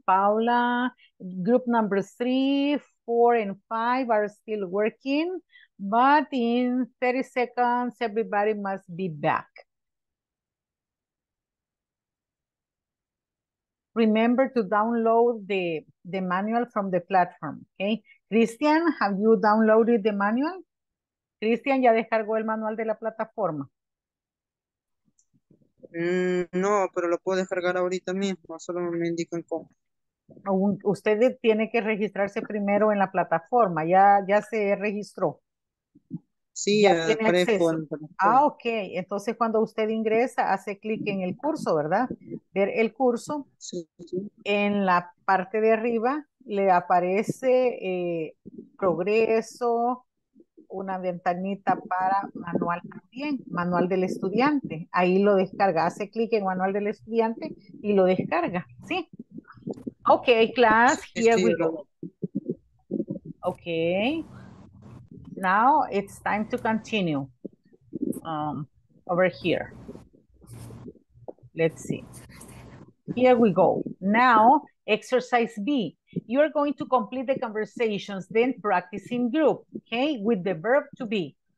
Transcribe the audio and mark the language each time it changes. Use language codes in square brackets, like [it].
[en] Paula, group number 3, 4, and 5 are still working. But in 30 seconds, everybody must be back. Remember to download the manual from the platform, okay? Christian, have you downloaded the manual? [es] Christian, ¿ya descargó el manual de la plataforma? No, pero lo puedo descargar ahorita mismo, solo me indican cómo. Usted tiene que registrarse primero en la plataforma, ya se registró. Sí, ya tiene acceso. Ah, ok, entonces cuando usted ingresa, hace clic en el curso, ¿verdad? Ver el curso, sí. En la parte de arriba le aparece progreso, una ventanita para manual también, manual del estudiante. Ahí lo descarga, hace clic en manual del estudiante y lo descarga, ¿sí? [en] Ok, class, here we go. Ok, now it's time to continue over here. Let's see. Here we go. Now, exercise B. You are going to complete the conversations, then practice in group, okay, with the verb to be.